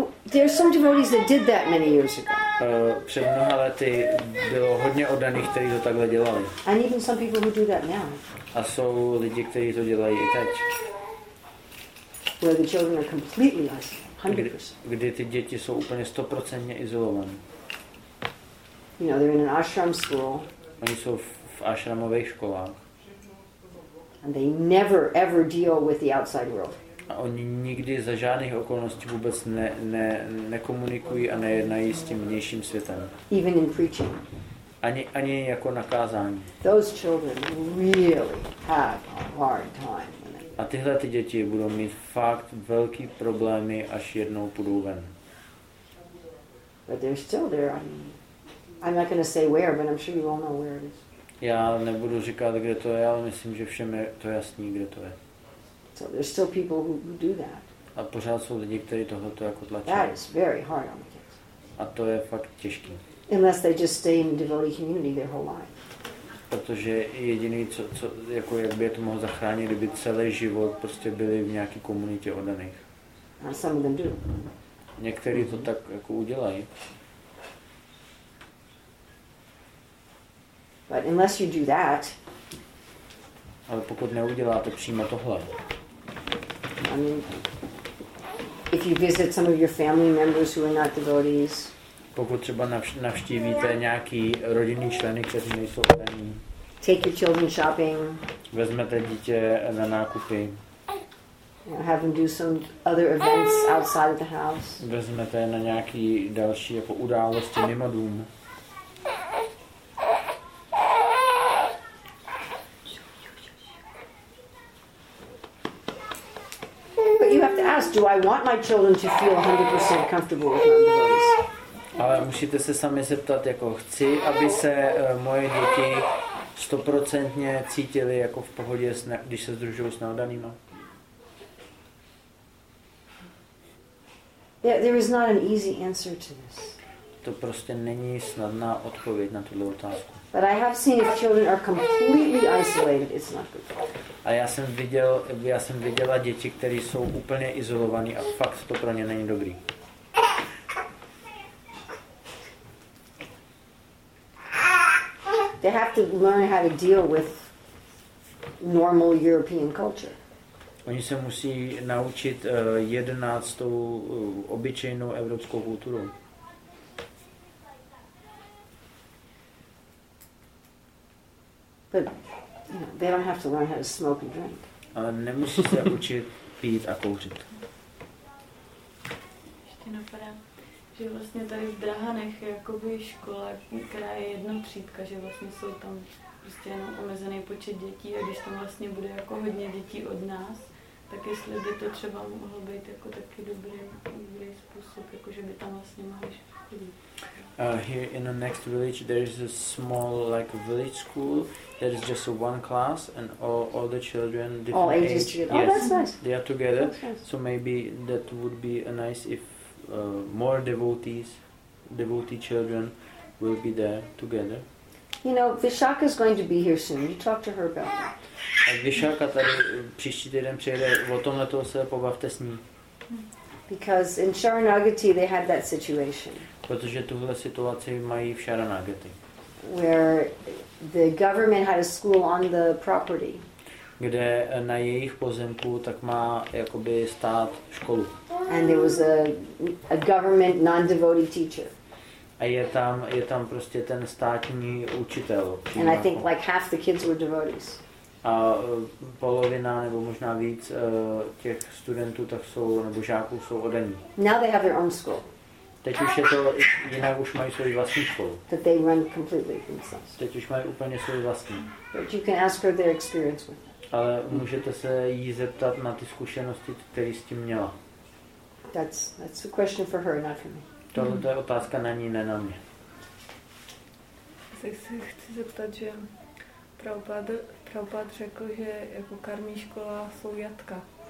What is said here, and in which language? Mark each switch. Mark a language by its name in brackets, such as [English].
[English] There are some devotees that did that many years ago. [Czech] Před mnoha lety bylo hodně oddaných, kteří to takhle dělali. [English] And even some people who do that now. [Czech] A jsou lidi, kteří to dělají i teď. [English] Where the children are completely isolated, 100%. [Czech] Kdy ty děti jsou úplně 100% izolované. [English] You know, they're in an ashram school. [Czech] Oni jsou v ashramových školách. [English] And they never ever deal with the outside world. [Czech] A oni nikdy za žádných okolností vůbec nekomunikují a nejednají s tím vnějším světem. [English] Even in preaching. [Czech] Ani jako na kázání. [English] Those children really have a hard time. [Czech] A tyhle ty děti budou mít fakt velký problémy, až jednou půjdou ven. [English] But they're still there. I'm not going to say where, but I'm sure you all know where it is. [Czech] Já nebudu říkat, kde to je, ale myslím, že všem je to jasný, kde to je. [English] So there's still people who do that. [Czech] A pořád jsou lidi, kteří tohleto jako tlačí. [English] That is very hard on the kids. [Czech] A to je fakt těžký. [English] Unless they just stay in devotee community their whole life. [Czech] Protože jediný, co jako jak by je to mohlo zachránit, kdyby celý život prostě byli v nějaký komunitě oddaných. [English] And some of them do. [Czech] Někteří to tak jako udělají. [English] But unless you do that, [Czech] ale pokud neuděláte přímo tohle. [English] I mean, if you visit some of your family members who are not devotees. [Czech] Pokud třeba navštívíte nějaký rodinný členy, kteří nejsou oddaní. [English] Take your children shopping. [Czech] Vezmete dítě na nákupy. [English] You know, have him do some other events outside of the house. [Czech] Vezmete na nějaký další jako události mimo dům. [English] But you have to ask, do I want my children to feel 100% comfortable with their bodies? [Czech] Ale musíte se sami zeptat, jako chci, aby se moje děti 100% cítily jako v pohodě, když se sdružují s neodanýma. [English] Yeah, there is not an easy answer to this. [Czech] To prostě není snadná odpověď na tuto otázku. [English] But I have seen if children are completely isolated, it's not good. [Czech] A já jsem viděla děti, které jsou úplně izolované a fakt to pro ně není dobrý. [English] They have to learn how to deal with normal European culture. [Czech] Oni se musí naučit jednat s tou obyčejnou evropskou kulturou. [English] But they don't have to learn how to smoke and drink. [Czech] Ale nemusí se učit pít a kouřit. Ještě napadá, že vlastně tady v Drahanech je jakoby škola, která je jedna třídka, že vlastně jsou tam prostě jenom omezený počet dětí a když tam vlastně bude jako hodně dětí od nás, tak jestli by to třeba mohlo být jako taky dobrý způsob, jako že by tam vlastně mohli chodit. [English] Here in the next village there is a small like village school. There is just one class and all the children different all ages. Age. Yes, oh, that's nice. They are together. Nice. So maybe that would be a nice if more devotee children will be there together. You know, Vishaka is going to be here soon. You talk to her about that. [Czech] Vishaka tady příští týden přijede, o tomhle toho se pobavte s ní. [English] Because in Sharanagati they had that situation. [Czech] Protože tuhle situaci mají v Sharanagati. [English] Where the government had a school on the property. [Czech] Kde na jejich pozemku tak má jakoby stát školu. [English] And there was a government non-devotee teacher. [Czech] A je tam prostě ten státní učitel. [English] And jako. I think like half the kids were devotees. [Czech] A polovina nebo možná víc těch studentů tak jsou nebo žáků jsou odaní. [English] Now they have their own school. [Czech] Teď už je to jinak už mají svůj vlastní školu. [English] That they run completely themselves. [Czech] Teď už mají úplně svůj vlastní. [English] But you can ask her their experience with. [Czech] Ale můžete se jí zeptat na ty zkušenosti, které s tím měla. [English] That's a question for her, not for me. [Czech] Tohle to je otázka na ní, ne na mě. Tak se chci zeptat, že Prabhupád řekl, že jako karmí škola jsou jatka.